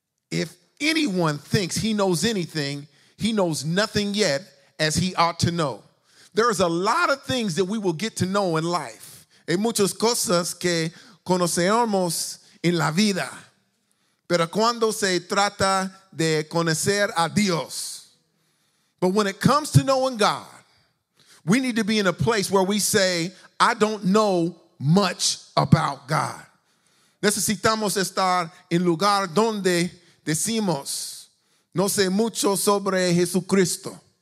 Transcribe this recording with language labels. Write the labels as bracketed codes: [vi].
[en] If anyone thinks he knows anything, he knows nothing yet as he ought to know. There's a lot of things that we will get to know in life. [es] Hay muchas cosas que conoceremos en la vida. Pero cuando se trata de conocer a Dios. [en] But when it comes to knowing God, we need to be in a place where we say, I don't know much about God. [es] Necesitamos estar en lugar donde decimos, no sé mucho sobre Jesucristo.